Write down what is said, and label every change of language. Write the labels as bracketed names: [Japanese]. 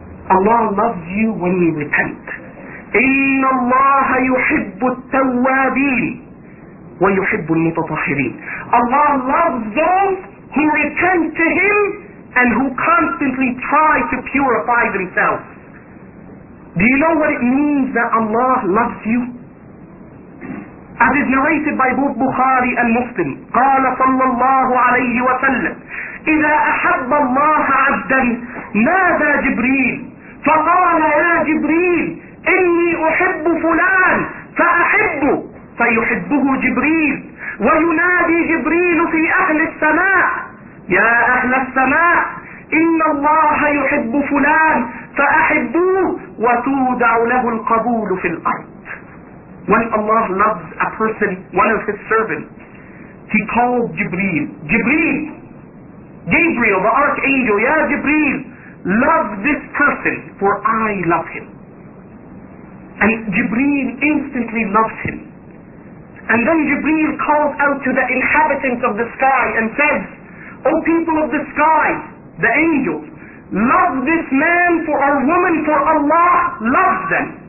[English] Allah loves you when you repent. [Arabic] إِنَّ اللَّهَ يُحِبُّ التَّوَّابِينَ وَيُحِبُّ الْمُتَطَهِّرِينَ [English] Allah loves those who repent to Him and who constantly try to purify themselves. Do you know what it means that Allah loves you? As is narrated by both Bukhari and Muslim, [Arabic] قال صلى الله عليه وسلم إذا أحب الله عبدا ماذا جبريل فقال يا جبريل إني أحب فلان فأحبه فيحبه جبريل وينادي جبريل في أهل السماء يا أهل السماء إن الله يحب فلان فأحبوه وتودع له القبول في الأرض. [English] When Allah loves a person, one of His servants, He called Jibreel. Jibreel, Gabriel, the archangel, ya Jibreel, love this person, for I love him. And Jibreel instantly loves him. And then Jibreel calls out to the inhabitants of the sky and says, O people of the sky, the angels, love this man for a woman, for Allah loves them.